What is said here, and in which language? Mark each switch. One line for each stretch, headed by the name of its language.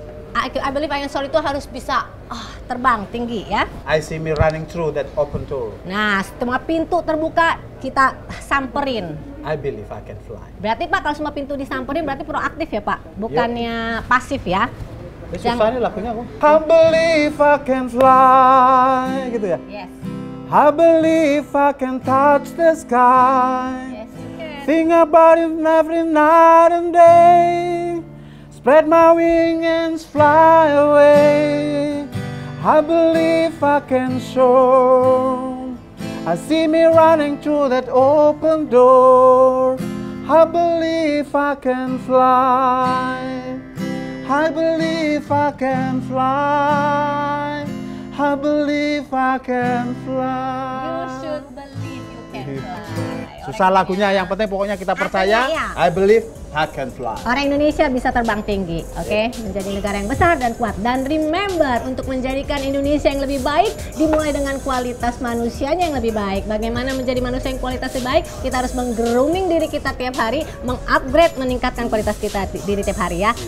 English: I Believe I Can Soar
Indonesian: itu harus bisa terbang tinggi ya.
English: I see me running through that open door.
Indonesian: Nah, semua pintu terbuka kita samperin.
English: I believe I can fly.
Indonesian: Berarti Pak, kalau semua pintu disamperin berarti proaktif ya, Pak. Bukannya pasif ya. Susah yang... nih lagunya kok.
English: I believe I can fly
Indonesian: gitu ya.
English: Yes. I believe I can touch the sky. Yes, you can. Think about it every night and day. Spread my wings and fly away. I believe I can soar. I see me running through that open door. I believe I can fly. I believe I can fly. I believe I can fly. You should believe you can fly.
Indonesian: Susah lagunya, yang penting pokoknya kita percaya.
English: I believe I can fly.
Indonesian: Orang Indonesia bisa terbang tinggi,
English: okay?
Indonesian: Menjadi negara yang besar dan kuat. Dan remember, untuk menjadikan Indonesia yang lebih baik, dimulai dengan kualitas manusianya yang lebih baik. Bagaimana menjadi manusia yang kualitasnya baik? Kita harus menggrooming diri kita tiap hari, mengupgrade, meningkatkan kualitas kita diri tiap hari ya.